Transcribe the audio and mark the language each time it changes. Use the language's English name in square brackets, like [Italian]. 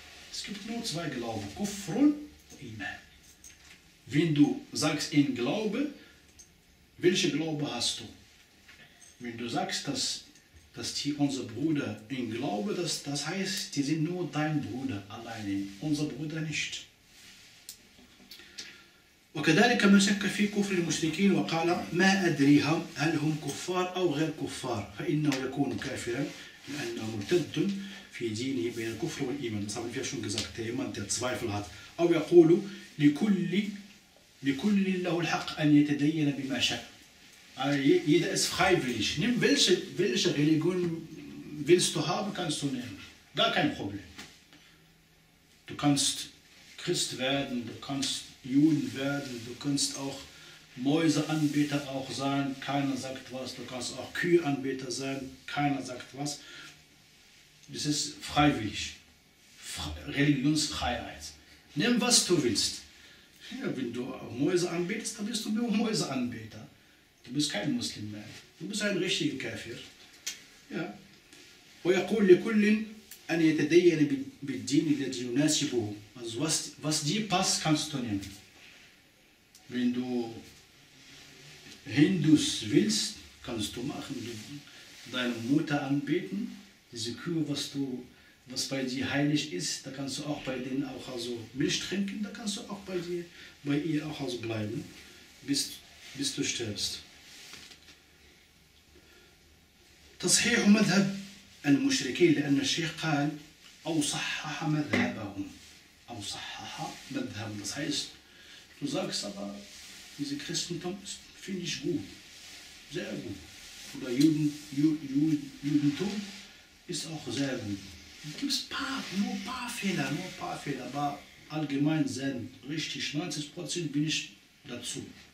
[German] Es gibt nur zwei Glauben, Kufrun und Iman. Wenn du sagst in Glaube, welche Glaube hast du? Wenn du sagst, dass die unser Bruder in Glaube, das heißt, die sind nur dein Bruder alleine, unser Bruder nicht. [Arabic] وكذلك من شك في كفر المشركين وقال ما أدري هل هم كفار أو غير كفار فإنه يكون كافرا لأنه مرتد في دينه بين الكفر والإيمان. [German] Das haben wir schon gesagt, der jemand, der Zweifel hat. [Arabic] أو يقول لكل لكل له الحق أن يتدين بما شاء. [German] Jeder ist freiwillig. Nimm welche Religion willst du haben, kannst du nehmen. Gar kein Problem. Du kannst Christ werden, du kannst Juden werden, du kannst auch Mäuseanbeter auch sein, keiner sagt was. Du kannst auch Kühanbeter sein, keiner sagt was. Das ist freiwillig. Religionsfreiheit. Nimm was du willst. Ja, wenn du Mäuse anbetest, dann bist du nur Mäuseanbeter. Du bist kein Muslim mehr. Du bist ein richtiger Kafir. Ja. [Arabic] ويقول لكل أن يتدين بالدين الذي يناسبه. [German] Also was dir passt, kannst du nehmen. Wenn du Hindus willst, kannst du machen. Deine Mutter anbeten, diese Kühe, was bei dir heilig ist, da kannst du auch bei denen auch also Milch trinken, da kannst du auch bei ihr auch also bleiben, bis du stirbst. [Arabic] تصحيح مذهب المشركين لأن الشيخ قال أو صحح مذهبهم أو صحح مذهبهم. [German] Das heißt, du sagst aber, diese Christentum finde ich gut, sehr gut. Oder Judentum ist auch sehr gut. Gibt es nur ein paar Fehler, aber allgemein sehr richtig, 90% bin ich dazu.